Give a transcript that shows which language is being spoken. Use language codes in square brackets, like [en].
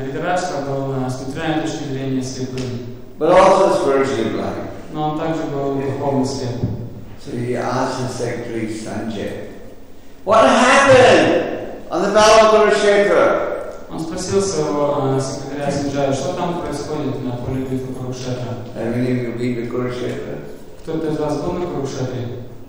[ru] Дхритараштра был с материальной точки зрения слепым. [en] But also spiritually blind. [ru] Но он также был духовно слеп. [en] So he asked his secretary Sanjay, "What happened on the battle of Kurukshetra?" [ru] Он спросил своего секретаря Санджая, что там происходит на поле битвы Курукшетра. [en] Have any of you been to Kurukshetra? [ru] Кто-то из вас был на Курукшетре?